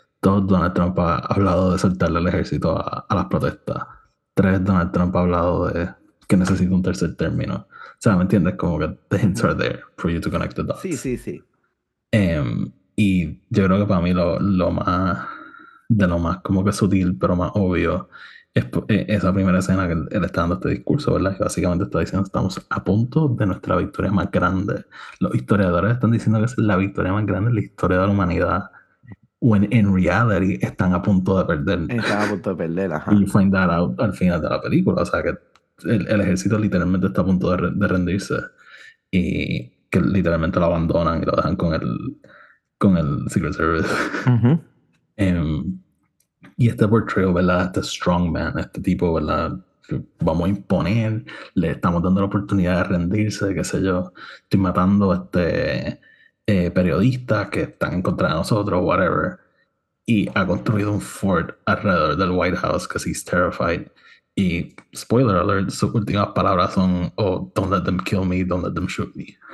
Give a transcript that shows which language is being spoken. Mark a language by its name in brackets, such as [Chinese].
[Spanish] Dos, Donald Trump ha hablado de soltarle el ejército a las protestas. Tres, Donald Trump ha hablado de que necesita un tercer término. O sea, ¿me entiendes? Como que [English] the hints are there for you to connect the dots. [Spanish] Sí, sí, sí. Y yo creo que para mí lo más como que sutil, pero más obvio, es esa primera escena que él está dando este discurso, ¿verdad? Que básicamente está diciendo, estamos a punto de nuestra victoria más grande. Los historiadores están diciendo que es la victoria más grande en la historia de la humanidad. [English] When in reality, [Spanish] están a punto de perder. Están a punto de perder, ajá. [English] You find that out [Spanish] al final de la película. O sea, que el ejército literalmente está a punto de rendirse. Y que literalmente lo abandonan y lo dejan con el Secret Service. Uh-huh. Y este portrayal, ¿verdad? Este strong man, este tipo, ¿verdad? Vamos a imponer, le estamos dando la oportunidad de rendirse, qué sé yo. Estoy matando a este periodista que está en contra de nosotros, whatever. Y ha construido un fort alrededor del White House [English] because he's terrified. Y, spoiler alert, [Spanish] sus últimas palabras son, [English] oh, don't let them kill me, don't let them shoot me.